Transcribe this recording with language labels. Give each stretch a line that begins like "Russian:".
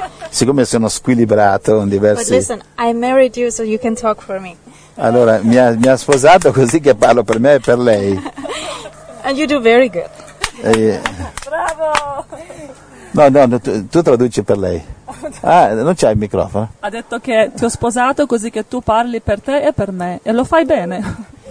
Italian: Siccome sono squilibrato in diversi.
English: But listen, I married you so you can talk for me.
Italian: Allora, mi ha sposato così che parlo per me e per lei.
English: And you do very good.
Italian: Bravo! No, tu traduci per lei. Ah, non c'hai il microfono. Ha detto che ti ho sposato così che tu parli per te e per me, e lo fai bene.